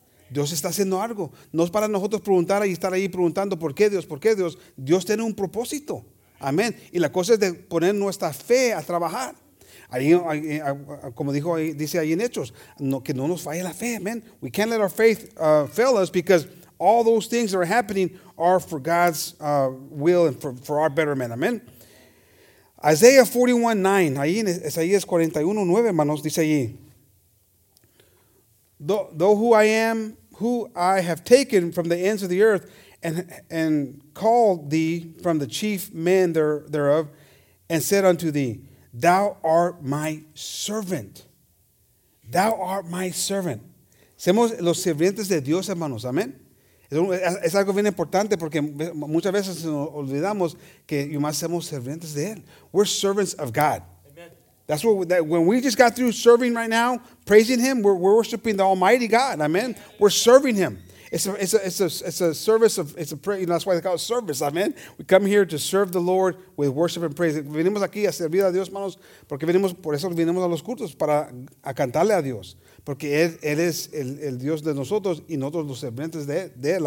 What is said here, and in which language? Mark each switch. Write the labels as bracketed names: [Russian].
[Spanish] Dios está haciendo algo. No es para nosotros preguntar y estar ahí preguntando, ¿por qué Dios? ¿Por qué Dios? Dios tiene un propósito, amén. Y la cosa es de poner nuestra fe a trabajar. Ahí, como dijo, dice ahí en Hechos, no, que no nos falle la fe, amen. [English] We can't let our faith fail us because all those things that are happening are for God's will and for our betterment, amen. [Spanish] Isaiah 41:9, ahí en Isaías 41:9, hermanos, dice ahí. [English] Though who I am, who I have taken from the ends of the earth and called thee from the chief men thereof and said unto thee, thou art my servant. Thou art my servant. [Spanish] Somos los sirvientes de Dios, hermanos. Amén. Es algo bien importante porque muchas veces nos olvidamos que nomás somos sirvientes de Él. [English] We're servants of God. Amen. That's what when we just got through serving right now, praising Him, we're worshiping the Almighty God. Amen. We're serving Him. It's a service of it's a prayer. You know, that's why they call it service. Amen. We come here to serve the Lord with worship and praise. [Spanish] Venimos aquí a servir a Dios, manos, porque venimos por eso venimos a los cultos para a cantarle a Dios, porque él es el Dios de nosotros y nosotros los servientes de él.